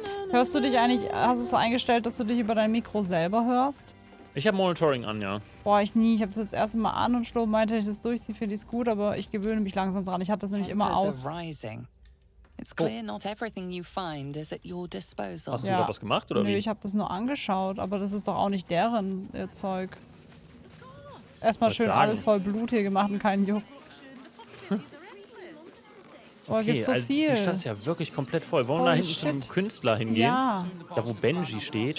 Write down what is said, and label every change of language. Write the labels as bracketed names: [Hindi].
[German] Hörst du dich eigentlich, hast du es so eingestellt, dass du dich über dein Mikro selber hörst? Ich habe Monitoring an, ja. Boah, ich nie. Ich habe das jetzt erst mal an und Schlob meinte, ich das durchziehe, finde ich es gut, aber ich gewöhne mich langsam dran. Ich hatte das nämlich immer aus. [English] It's clear not everything you find is at your disposal. [German] Hast du überhaupt was gemacht, oder wie? Nö, ich habe das nur angeschaut, aber das ist doch auch nicht deren Zeug. Erstmal schön alles voll Blut hier gemacht und keinen Juckt. Boah, okay, gibt's so viel. Die Stadt ist ja wirklich komplett voll. Wollen wir da hinten zum Künstler hingehen? Ja. Da, wo Benji steht.